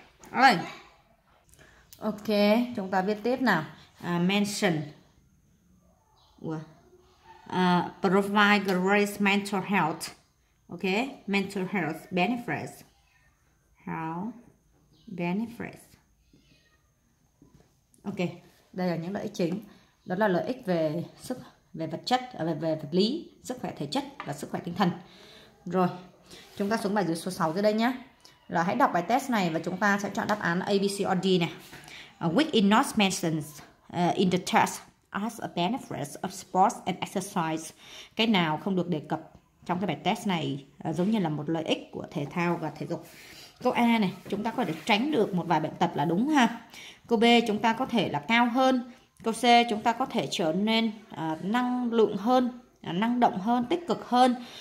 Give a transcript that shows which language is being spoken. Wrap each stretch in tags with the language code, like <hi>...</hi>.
<vi>Ơi. Ok, chúng ta viết tiếp nào.</vi> <en>Mention. Provide great mental health. Ok, mental health benefits. How benefits.</en> <vi>Ok, đây là những lợi ích chính. Đó là lợi ích về sức, về vật chất, về vật lý, sức khỏe thể chất và sức khỏe tinh thần. Rồi, chúng ta xuống bài dưới số 6 dưới đây nhé. Là hãy đọc bài test này và chúng ta sẽ chọn đáp án A, B, C, or D nè.</vi> <en>Which is not mentioned in the test as a benefit of sports and exercise.</en> <vi>Cái nào không được đề cập trong cái bài test này giống như là một lợi ích của thể thao và thể dục. Câu A này, chúng ta có thể tránh được một vài bệnh tật là đúng ha. Câu B, chúng ta có thể là cao hơn. Câu C, chúng ta có thể trở nên năng lượng hơn, năng động hơn, tích cực hơn.</vi>